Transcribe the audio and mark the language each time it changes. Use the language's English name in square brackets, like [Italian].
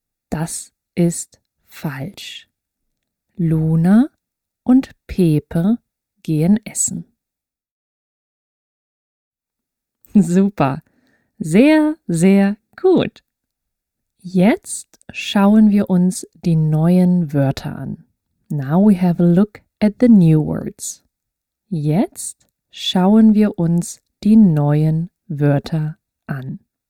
[German] Das ist falsch. Luna und Pepe gehen essen. Super. Sehr, sehr gut. Jetzt schauen wir uns die neuen Wörter an. [English] Now we have a look at the new words. [German] Jetzt schauen wir uns die neuen Wörter an.